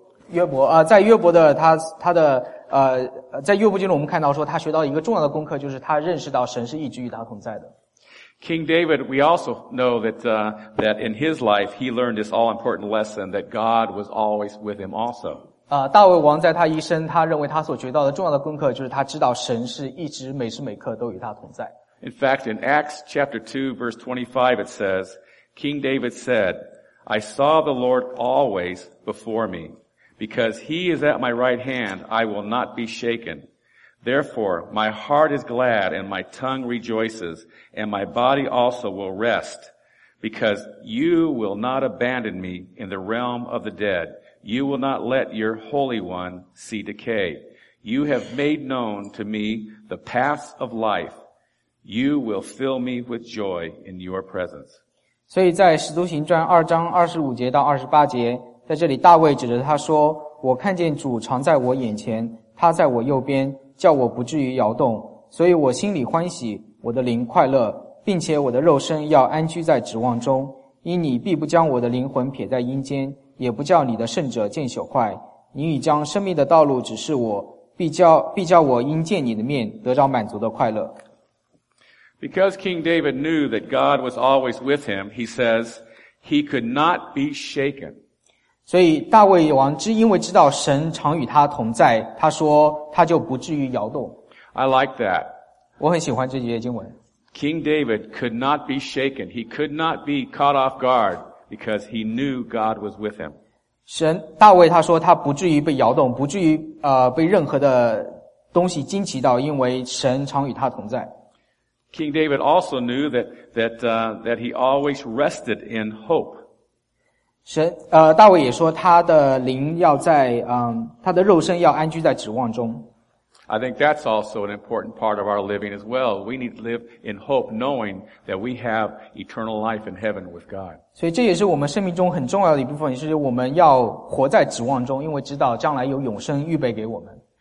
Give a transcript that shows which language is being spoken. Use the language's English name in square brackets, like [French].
[Chinese] 约伯在约伯的他的在约伯经中我们看到说他学到一个重要的功课，就是他认识到神是一直与他同在的。 [English] King David, we also know that in his life he learned this all-important lesson that God was always with him also. [Chinese] 大卫王在他一生他认为他所学到的重要的功课就是他知道神是一直每时每刻都与他同在。 [English] In fact, in Acts chapter 2 verse 25 it says, King David said, I saw the Lord always before me. Because he is at my right hand, I will not be shaken. Therefore, my heart is glad and my tongue rejoices and my body also will rest. Because you will not abandon me in the realm of the dead. You will not let your Holy One see decay. You have made known to me the paths of life. You will fill me with joy in your presence. [Chinese] 所以在使徒行传二章二十五节到二十八节，在这里大卫指着他说，我看见主常在我眼前，他在我右边，叫我不至于摇动。所以我心里欢喜，我的灵快乐，并且我的肉身要安居在指望中，因你必不将我的灵魂撇在阴间。也不叫你的圣者见朽坏，你已将生命的道路指示我，必叫我因见你的面得着满足的快乐。 [English] Because King David knew that God was always with him, he says he could not be shaken. [Chinese] 所以大卫王只因为知道神常与他同在，他说他就不至于摇动。 [English] I like that. [Chinese] 我很喜欢这节经文。 [English] King David could not be shaken. He could not be caught off guard. Because he knew God was with him. [Chinese] 神大卫他说他不至于被摇动，不至于被任何的东西惊奇到，因为神常与他同在。 [English] King David also knew that he always rested in hope. [Chinese] 神大卫也说他的灵要在他的肉身要安居在指望中。 [English] I think that's also an important part of our living as well. We need to live in hope, knowing that we have eternal life in heaven with God. [Chinese] 所以这也是我们生命中很重要的一部分，就是我们要活在指望中，因为知道将来有永生预备给我们。